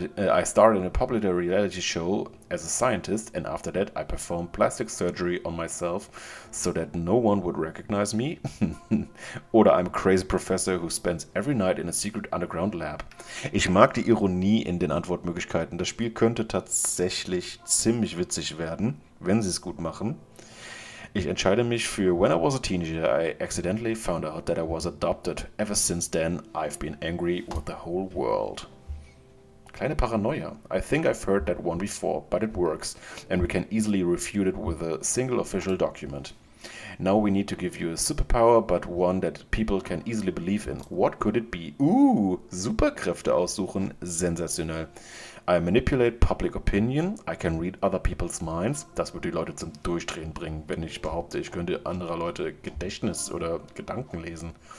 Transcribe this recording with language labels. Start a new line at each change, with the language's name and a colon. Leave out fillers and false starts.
English: I starred in a popular reality show as a scientist, and after that I performed plastic surgery on myself so that no one would recognize me. Oder I'm a crazy professor who spends every night in a secret underground lab.
German: Ich mag die Ironie in den Antwortmöglichkeiten. Das Spiel könnte tatsächlich ziemlich witzig werden, wenn sie es gut machen. Ich entscheide mich für
English: When I was a teenager, I accidentally found out that I was adopted. Ever since then, I've been angry with the whole world.
German: Kleine Paranoia.
English: I think I've heard that one before, but it works, and we can easily refute it with a single official document. Now we need to give you a superpower, but one that people can easily believe in. What could it be?
German: Ooh, Superkräfte aussuchen. Sensationell.
English: I manipulate public opinion. I can read other people's minds.
German: Das würde die Leute zum Durchdrehen bringen, wenn ich behaupte, ich könnte anderer Leute Gedächtnis oder Gedanken lesen.